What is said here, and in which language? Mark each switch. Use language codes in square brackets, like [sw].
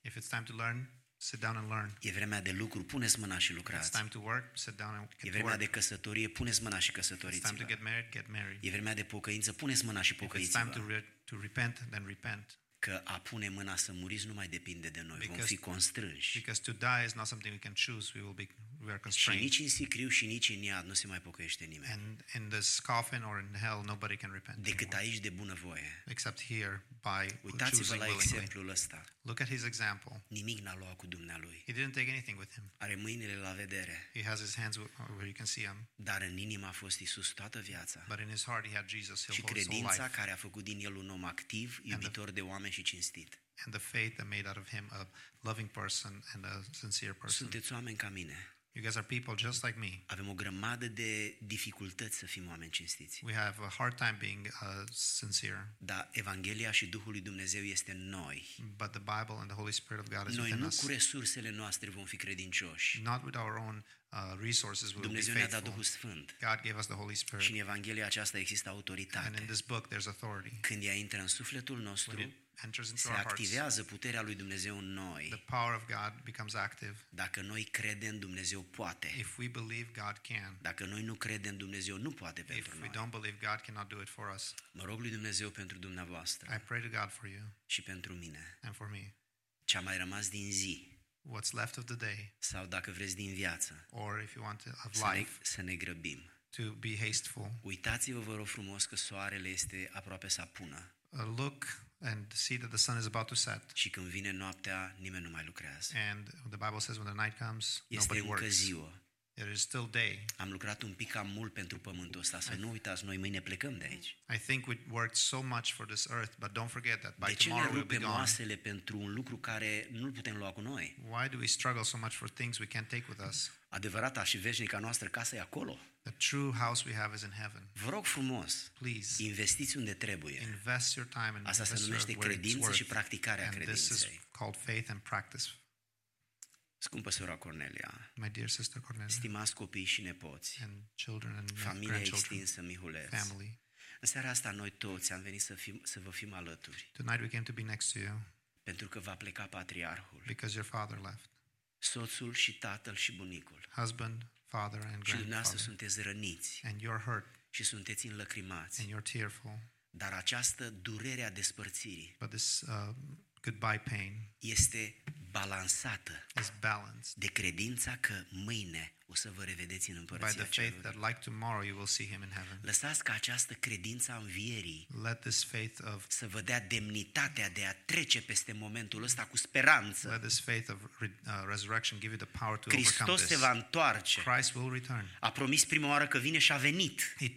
[en] If it's time to learn, Sit down and learn. [ro] E vremea de lucru, puneți mâna și lucrați. [en] It's time to work, sit down and get. [ro] E vremea de căsătorie, puneți mâna și căsătoriți-vă. [en] It's time to get married, get married. [ro] E vremea de pocăință, puneți mâna și pocăiți-vă. [en] It's time to repent, then repent. [ro] Că a pune mâna să muriți nu mai depinde de noi, vom fi constrânși. [en] Because to die is not something we can choose, we are constrained. [ro] Și nici în sicriu și nici în iad nu se mai pocăiește nimeni. [en] And in this coffin or in hell nobody can repent. [ro] Decât aici de bunăvoie. [en] Except here by choosing willingly. [ro] Uitați-vă la exemplul ăsta. [en] Look at his example. [ro] Nimic n-a luat cu dumnealui. [en] He didn't take anything with him. [ro] Are mâinile la vedere. [en] He has his hands where you can see him. [ro] Dar în inimă a fost Isus toată viața. [en] But in his heart he had Jesus. [ro] Și credința care a făcut din el un om activ, iubitor de oameni și cinstit. [en] And the faith that made out of him a loving person and a sincere person. [ro] Sunteți oameni ca mine. [en] You guys are people just like me. [ro] Avem o grămadă de dificultăți să fim oameni cinstiți. [en] We have a hard time being sincere. [ro] Dar Evanghelia și Duhul lui Dumnezeu este în noi. [en] But the Bible and the Holy Spirit of God is [ro] noi [en] within us. [ro] Noi nu cu resursele noastre vom fi credincioși. [en] Not with our own resources will [ro] Dumnezeu [en] be faithful. [ro] Dumnezeu ne-a dat Duhul Sfânt. [en] God gave us the Holy Spirit. [ro] Și în Evanghelia aceasta există autoritate. [en] And in this book there's authority. [ro] Când ea intră în sufletul nostru, se activează puterea lui Dumnezeu în noi. [en] The power of God becomes active. [ro] Dacă noi credem, Dumnezeu poate. [en] If we believe, God can. [ro] Dacă noi nu credem, Dumnezeu nu poate pentru noi. [en] If we don't believe, God cannot do it for us. [ro] Mă rog lui Dumnezeu pentru dumneavoastră. [en] I pray to God for you. [ro] Și pentru mine. [en] And for me. [ro] Ce a mai rămas din zi? [en] What's left of the day? [ro] Sau dacă vreți din viață? [en] Or if you want of life. [ro] Să ne grăbim. [en] To be hasteful. [ro] Uitați-vă, vă rog frumos, că soarele este aproape să apună. [en] Look and see that the sun is about to set. [ro] Și când vine noaptea, nimeni nu mai lucrează. [en] And the Bible says when the night comes, [ro] este [en] nobody works. [ro] Este încă ziua. [en] It is still day. [ro] Am lucrat un pic cam mult pentru pământul ăsta, să nu uitați, noi mâine plecăm de aici. [en] I think we worked so much for this earth, but don't forget that by tomorrow we'll be gone. [ro] De ce ne rupem oasele pentru un lucru care nu putem lua cu noi? [en] Why do we struggle so much for things we can't take with us? [ro] Adevărata și veșnica noastră casă e acolo. [en] The true house we have is in heaven. [ro] Vă rog frumos, [en] please, [ro] investiți unde trebuie. [en] Invest your time and [ro] asta se numește credință și practicarea credinței. [en] This is called faith and practice. [ro] Scumpă sora Cornelia, [en] my dear sister Cornelia, [ro] stimați copii și nepoți, [en] and children and [ro] familia extinsă Mihulet, [en] family. [ro] În seara asta noi toți am venit să vă fim alături. [en] Tonight we came to be next to you. [ro] Pentru că va pleca patriarhul. [en] Because your father left. [ro] Soțul și tatăl și bunicul. [en] Husband, father and grandfather. [ro] Și dumneavoastră sunteți răniți. [en] And you're hurt. [ro] Și sunteți înlăcrimați. [en] And you're tearful. [ro] Dar această durere a despărțirii. [en] But this goodbye pain. [ro] Este balansată. [en] Is balanced. [ro] De credința că mâine o să vă revedeți în împărăția cerurilor. [en] By the faith that like tomorrow you will see him in heaven. [ro] Lăsați ca această credință a învierii. [en] Let this faith of. [ro] Să vă dea demnitatea de a trece peste momentul ăsta cu speranță. [en] Let this faith of resurrection give you the power to overcome this. [ro] Hristos se va întoarce. [en] Christ will return. [ro] A promis prima oară că vine și a venit.